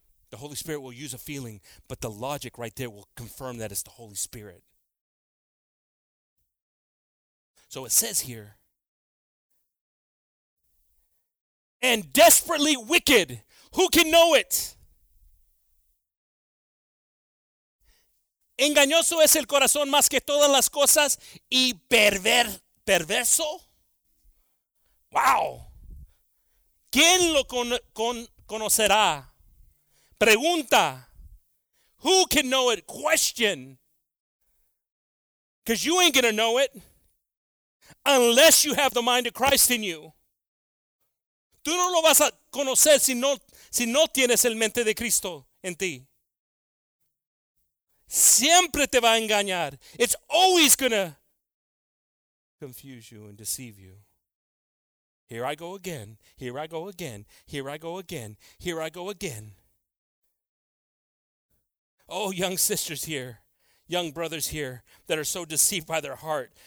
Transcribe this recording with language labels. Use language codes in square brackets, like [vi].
[en] The Holy Spirit will use a feeling, but the logic right there will confirm that it's the Holy Spirit. So it says here, and desperately wicked, who can know it? [es] Engañoso es el corazón más que todas las cosas y perverso. [en] Wow. [es] ¿Quién lo conocerá? Pregunta. [en] Who can know it? Question. Because you ain't going to know it unless you have the mind of Christ in you. [es] Tú no lo vas a conocer si no tienes el mente de Cristo en ti. Siempre te va a engañar. [en] It's always going to confuse you and deceive you. Here I go again. Here I go again. Here I go again. Here I go again. Oh, young sisters here, young brothers here that are so deceived by their heart.